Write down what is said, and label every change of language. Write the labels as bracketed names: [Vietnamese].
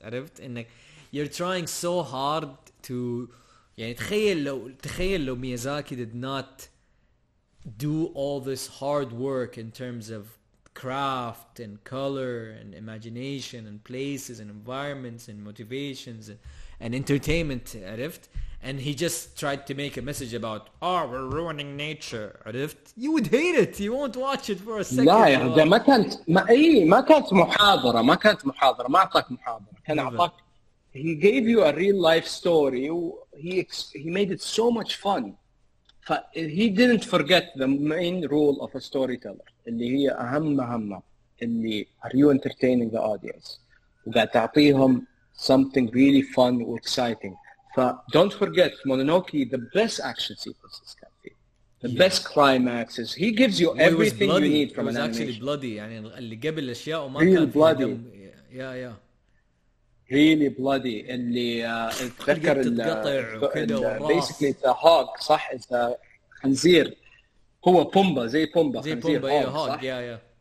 [Arabic] عرفت؟ إنك [English] you're trying so hard to [Arabic] يعني [English] تخيل لو Miyazaki did not do all this hard work in terms of craft and color and imagination and places and environments and motivations and entertainment, [Arabic] عرفت? [English] And he just tried to make a message about, oh, we're ruining nature, [Arabic] عرفت? [English] You would hate it. You won't watch it for a second. [Arabic] لا يا رجل, ما كانت محاضرة. ما أعطاك محاضرة. كان أعطاك, he gave you a real life story. [English] He made it so much fun. He didn't forget the main role of a storyteller, [Arabic] اللي هي أهم اللي [English] are you entertaining the audience, [Arabic] وقاعد تعطيهم [English] something really fun or exciting. Don't forget Mononoke, the best action sequences can be, the best climaxes. He gives you everything you need from an animation. It was actually bloody. [Arabic] يعني اللي قبل الأشياء وما كان. [English] Really bloody. Yeah. Really bloody. [Arabic] اللي تذكر ال. [English] Basically the hog, [Arabic] صح? [English] It's a [Arabic] خنزير. هو بومبا زي بومبا خنزير هوج.